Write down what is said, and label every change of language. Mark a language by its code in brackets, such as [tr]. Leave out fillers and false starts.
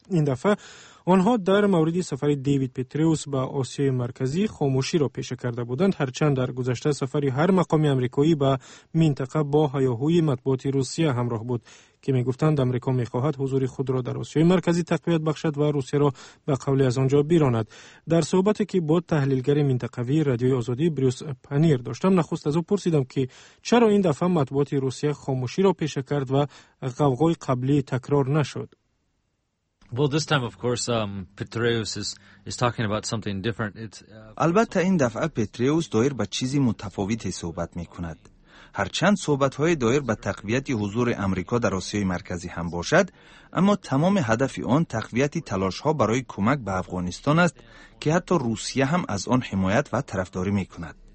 [fa] این دفعه آنها در مورد سفر دیوید پتریوس به آسیای مرکزی خاموشی را پیشه کرده بودند، هرچند در گذشته سفری هر مقام آمریکایی به منطقه با هیاهوی مطبوعاتی روسیه همراه بود که میگفتند آمریکا میخواهد حضور خود را در آسیای مرکزی تقویت بخشد و روسیه را به قولی از آنجا بیراند. در صحبتی که با تحلیلگر منطقوی رادیوی آزادی بروس پنیر داشتم، نخست از او پرسیدم که چرا این دفعه مطبوعات روسیه خاموشی را پیشه کرد و غوغای قبلی تکرار نشد. [en] Well, this time, of course, Petraeus is talking about something different. [fa] البته این دفعه پتریوس دایر به چیزی متفاوتی صحبت میکند. هرچند صحبت‌های دایر به تقویت حضور آمریکا در آسیای مرکزی هم باشد، اما تمام هدف آن تقویت تلاش‌ها برای کمک به افغانستان است که حتی روسیه هم از آن حمایت و طرفداری میکند.